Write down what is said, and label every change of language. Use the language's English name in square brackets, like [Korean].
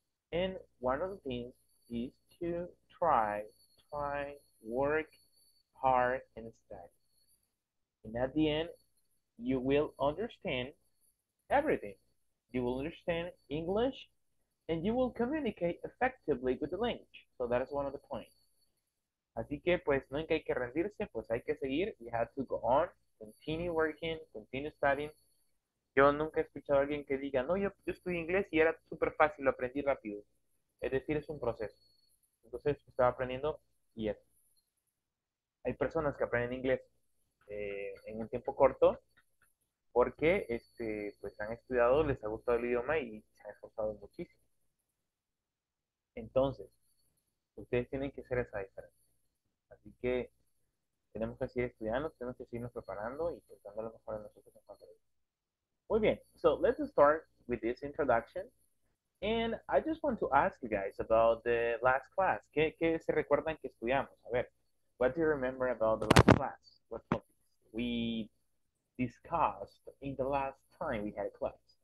[English] And one of the things is to try, work hard, and study. And at the end, you will understand everything. You will understand English, and you will communicate effectively with the language. So that is one of the points. [Spanish] Así que, pues, no hay que rendirse, pues hay que seguir. [English] You have to go on, continue working, continue studying. [Spanish] Yo nunca he escuchado a alguien que diga, no, yo estudié inglés y era súper fácil, lo aprendí rápido. Es decir, es un proceso. Entonces, estaba aprendiendo y es. Hay personas que aprenden inglés en un tiempo corto porque pues, han estudiado, les ha gustado el idioma y se han esforzado muchísimo. Entonces, ustedes tienen que hacer esa diferencia. Así que tenemos que seguir estudiando, tenemos que seguirnos preparando y pensando a lo mejor en nosotros en cuanto a eso. Muy bien, [English] so let's start with this introduction. And I just want to ask you guys about the last class. [Spanish] ¿Qué se recuerdan que estudiamos? A ver, [English] what do you remember about the last class? What topics we discussed in the last time we had a class?